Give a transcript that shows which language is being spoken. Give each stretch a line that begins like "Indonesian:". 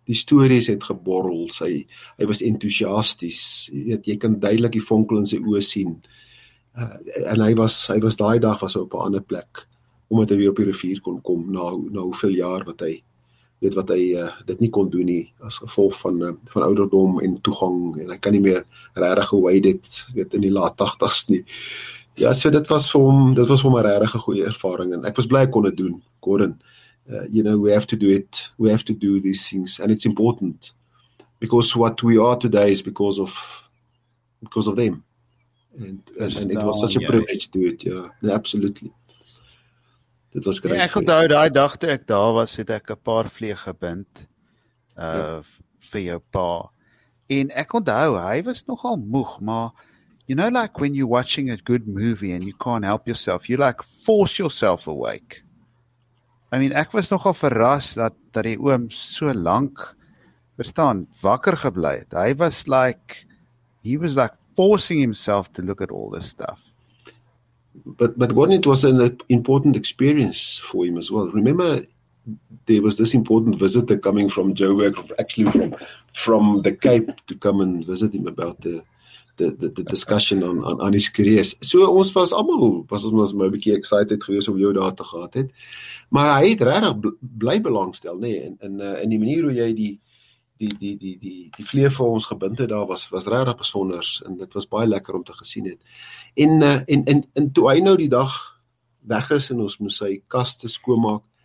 Afrikaans: Die stories het geborrel, hy was enthousiasties, jy kan duidelik die vonkel in sy oë sien, en hy was daai dag was op 'n ander plek, omdat hy weer op die rivier kon kom, na hoeveel jaar wat hy, weet wat hy dit nie kon doen nie, as gevolg van ouderdom en toegang, en hy kan nie meer regtig hoe hy dit, weet in die laat 80's nie. Ja, so dit was vir hom 'n regtig goeie ervaring, en ek was bly ek kon dit doen, Gordon.
English: You know, we have to do it. We have to do these things. And it's important. Because what we are today is because of them. And it was such a privilege to do it. Yeah, absolutely. It was great.
Afrikaans: Ek onthou daai dag toe ek daar was, het ek 'n paar vlieë gebind vir jou pa. En ek onthou, hy was nogal moeg, maar
English: you know like when you're watching a good movie and you can't help yourself, you like force yourself awake. I mean,
Afrikaans: ek was nogal verras dat die oom so lank, verstaan, wakker gebly het. Hy was
English: like, he was like forcing himself to look at all this stuff. But Gordon, it was an important experience for him as well. Remember, there was this important visitor coming from Joburg, actually from the Cape, to come and visit him about the discussion on his career.
Afrikaans: So ons was almal was my bietjie excited gewees om jou daar te gehad het. Maar hy het regtig bly belangstel, nê, in die manier hoe jy die vlee vir ons gebind het daar was regtig besonders en dit was baie lekker om te gesien het. En toe hy nou die dag weg is en ons moes sy kaste skoonmaak.